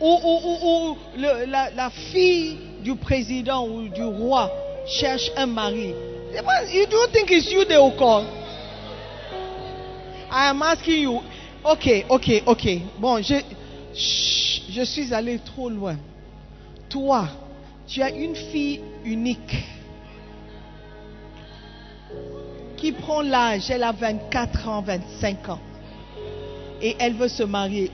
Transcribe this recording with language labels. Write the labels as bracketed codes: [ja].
[fr] Ou la fille du président ou du roi cherche un mari. [en] You don't think it's you they will call. I am asking you. Ok. [fr] Bon, je suis allé trop loin. Toi, tu as une fille unique qui prend l'âge. Elle a 24 ans, 25 ans. Et elle veut se marier.